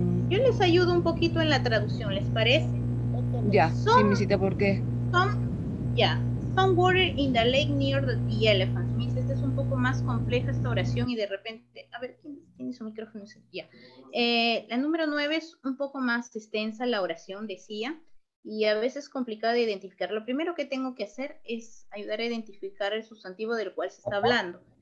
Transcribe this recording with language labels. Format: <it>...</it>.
<es>Yo les ayudo un poquito en la traducción, ¿les parece? Ya, sí, misita, ¿por qué?</es> <en>Some water in the lake near the elephants.</en> <es>Miss, esta es un poco más compleja esta oración y de repente... A ver, ¿quién es su micrófono? Ya. La número 9 es un poco más extensa la oración, decía, y a veces es complicado de identificar. Lo primero que tengo que hacer es ayudar a identificar el sustantivo del cual se está hablando.</es>